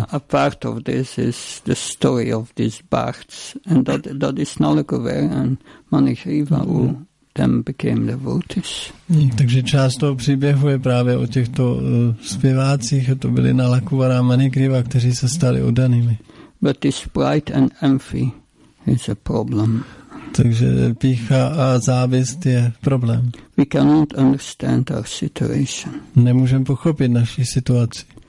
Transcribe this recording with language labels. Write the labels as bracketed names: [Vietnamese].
[English] A part of this is the story of these bards, and that is Nalakover and Manishriva, who then became devotees. [Czech] Takže část toho příběhu je právě o těchto zpěvácích, a to byli Nalakovara a Manishriva, kteří se stali udanými. [English] But this pride and envy is a problem. [Czech] Takže pícha a závist je problém. [English] We cannot understand our situation. [Czech] Nemůžeme pochopit naši situaci.